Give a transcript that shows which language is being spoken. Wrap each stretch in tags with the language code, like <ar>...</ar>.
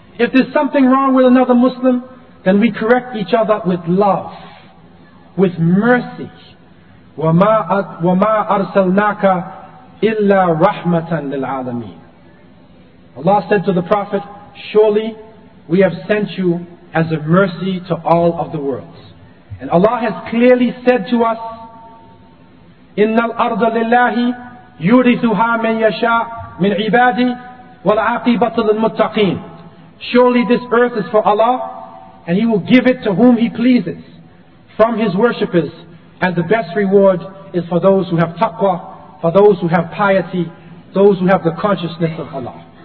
<en>If there's something wrong with another Muslim, then we correct each other with love, with mercy.</en> <ar>وَمَا أَرْسَلْنَاكَ إِلَّا رَحْمَةً لِلْعَالَمِينَ.</ar> <en>Allah said to the Prophet, surely we have sent you as a mercy to all of the worlds. And Allah has clearly said to us,</en> <ar>إِنَّ الْأَرْضَ لِلَّهِ يُورِثُهَا مَنْ يَشَاءُ مِنْ عِبَادِي وَالْعَاقِبَةُ لِلْمُتَّقِينَ.</ar> <en>Surely this earth is for Allah, and He will give it to whom He pleases, from His worshippers, and the best reward is for those who have taqwa, for those who have piety, those who have the consciousness of Allah.</en>